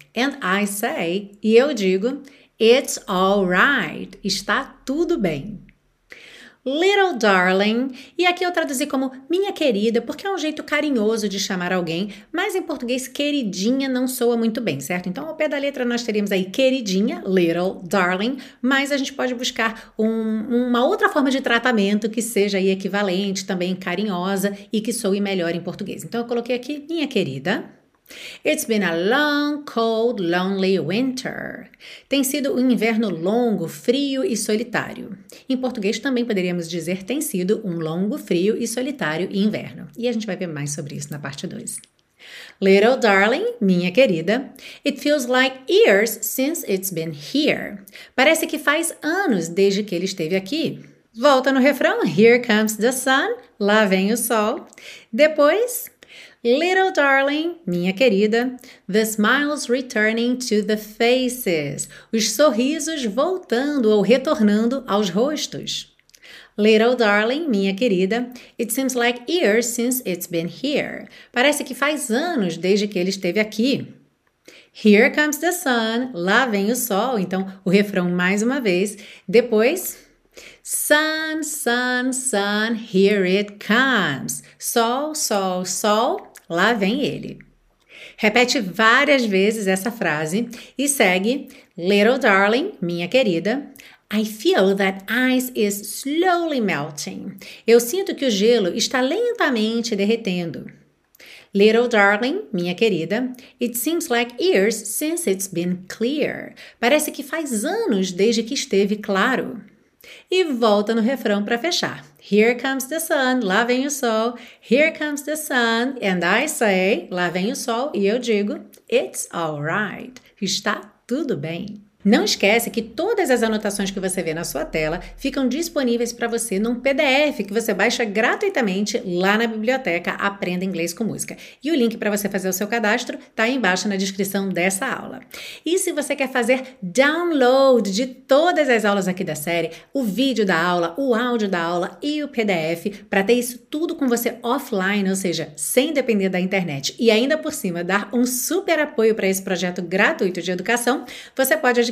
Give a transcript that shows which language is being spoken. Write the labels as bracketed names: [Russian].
[English] And I say, [Portuguese] e eu digo, [English] It's all right. [Portuguese] Está tudo bem. [English] Little darling, [Portuguese] e aqui eu traduzi como minha querida, porque é um jeito carinhoso de chamar alguém, mas em português, queridinha não soa muito bem, certo? Então, ao pé da letra, nós teríamos aí queridinha, [English] little darling, [Portuguese] mas a gente pode buscar uma outra forma de tratamento que seja aí equivalente, também carinhosa e que soe melhor em português. Então, eu coloquei aqui minha querida. [English] It's been a long, cold, lonely winter. [Portuguese] Tem sido um inverno longo, frio e solitário. Em português também poderíamos dizer tem sido um longo, frio e solitário inverno. E a gente vai ver mais sobre isso na parte 2. [English] Little darling, [Portuguese] minha querida, [English] it feels like years since it's been here. [Portuguese] Parece que faz anos desde que ele esteve aqui. Volta no refrão: [English] Here comes the sun, [Portuguese] lá vem o sol. Depois. [English] Little darling, [Portuguese] minha querida, [English] the smiles returning to the faces. [Portuguese] Os sorrisos voltando ou retornando aos rostos. [English] Little darling, [Portuguese] minha querida, [English] it seems like years since it's been here. [Portuguese] Parece que faz anos desde que ele esteve aqui. [English] Here comes the sun, [Portuguese] lá vem o sol. Então, o refrão mais uma vez. Depois. [English] Sun, sun, sun, here it comes. [Portuguese] Sol, sol, sol. Lá vem ele. Repete várias vezes essa frase e segue: [English] Little darling, [Portuguese] minha querida, [English] I feel that ice is slowly melting. [Portuguese] Eu sinto que o gelo está lentamente derretendo. [English] Little darling, [Portuguese] minha querida, [English] it seems like years since it's been clear. [Portuguese] Parece que faz anos desde que esteve claro. E volta no refrão para fechar. [English] Here comes the sun, [Portuguese] lá vem o sol. [English] Here comes the sun, and I say, [Portuguese] lá vem o sol, e eu digo, [English] it's all right. [Portuguese] Está tudo bem. Não esquece que todas as anotações que você vê na sua tela ficam disponíveis para você num PDF que você baixa gratuitamente lá na biblioteca Aprenda Inglês com Música. E o link para você fazer o seu cadastro está aí embaixo na descrição dessa aula. E se você quer fazer download de todas as aulas aqui da série, o vídeo da aula, o áudio da aula e o PDF, para ter isso tudo com você offline, ou seja, sem depender da internet, e ainda por cima dar um super apoio para esse projeto gratuito de educação, você pode